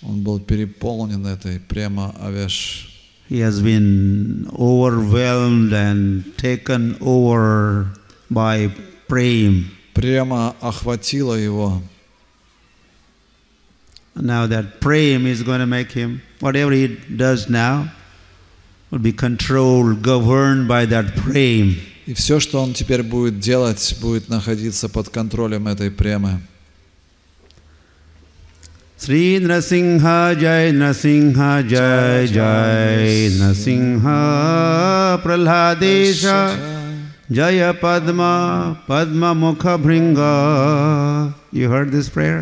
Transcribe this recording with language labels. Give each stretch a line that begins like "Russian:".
Russian: Он был переполнен этой премавеш.
English: He has been overwhelmed and taken over by prema.
Russian: Према охватила его.
English: Now that prema is going to make him, whatever he does now, will be controlled, governed by that prema.
Russian: И все, что он теперь будет делать, будет находиться под контролем этой премы.
Sanskrit: Sri Narasimha Jai Narasimha Jai Jai Narasimha Prahladesha Jaya Padma Padma Mukha Bhringa.
English: You heard this prayer?